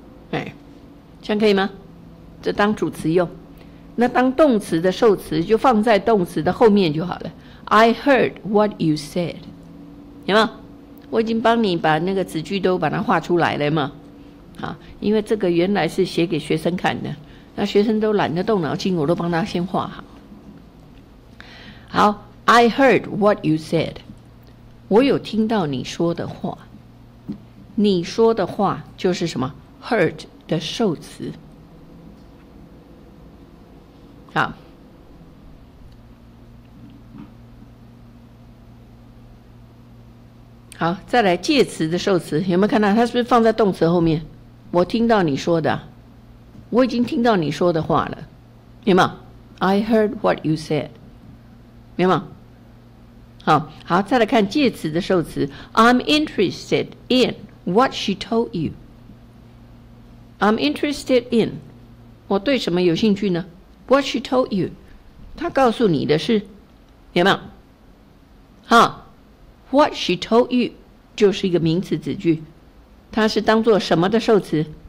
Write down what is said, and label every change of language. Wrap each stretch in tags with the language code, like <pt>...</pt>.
<zh>哎，这样可以吗？这当主词用，那当动词的受词就放在动词的后面就好了。</zh> <en>I heard what you said，</en> <zh>有没有？我已经帮你把那个子句都把它画出来了嘛。好，因为这个原来是写给学生看的，那学生都懒得动脑筋，我都帮他先画好。好，</zh> <en>I heard what you said，</en> <zh>我有听到你说的话。你说的话就是什么 heard 的受词。好，好，再来介词的受词，有没有看到它是不是放在动词后面？我听到你说的，我已经听到你说的话了，明白？</zh> <en>I heard what you said，</en> <zh>明白？好，好，再来看介词的受词。</zh> <en>I'm interested in what she told you。 I'm interested in，</en> <zh>我对什么有兴趣呢？</zh> <en>What she told you，</en> <zh>她告诉你的是，明白？好，</zh> <en>What she told you</en> <zh>就是一个名词子句，它是当作什么的受词？</zh>